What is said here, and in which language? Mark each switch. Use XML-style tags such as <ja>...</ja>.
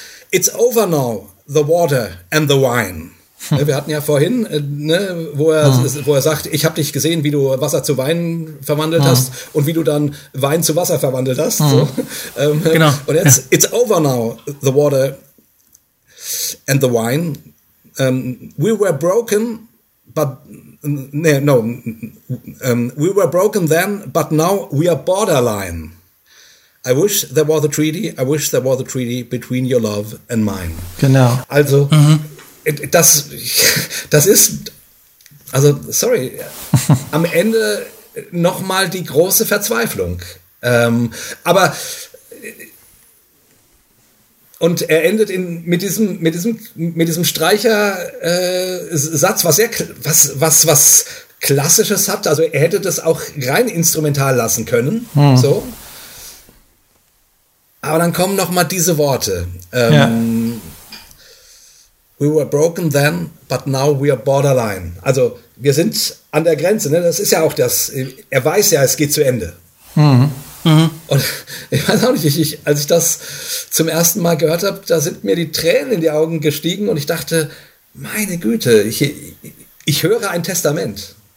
<en>It's over now, the water and the wine.</en> <de>Ne, wir hatten ja vorhin, wo er sagt, ich habe dich gesehen, wie du Wasser zu Wein verwandelt hast und wie du dann Wein zu Wasser verwandelt hast. Genau. Und jetzt,</de> <en>it's over now, the water and the wine. We were broken, but... we were broken then, but now we are borderline. I wish there was a treaty. I wish there was a treaty between your love and mine.</en> <de>Genau. Also, das ist, also, sorry, am Ende nochmal die große Verzweiflung. Aber, und er endet mit diesem Streicher Satz, was Klassisches hat. Also er hätte das auch rein instrumental lassen können. So, aber dann kommen noch mal diese Worte.</de> <en>We were broken then, but now we are borderline.</en> <de>Also wir sind an der Grenze. Ne? Das ist ja auch das. Er weiß ja, es geht zu Ende. Und ich weiß auch nicht, als ich das zum ersten Mal gehört habe, da sind mir die Tränen in die Augen gestiegen und ich dachte, meine Güte, ich höre ein Testament.</de>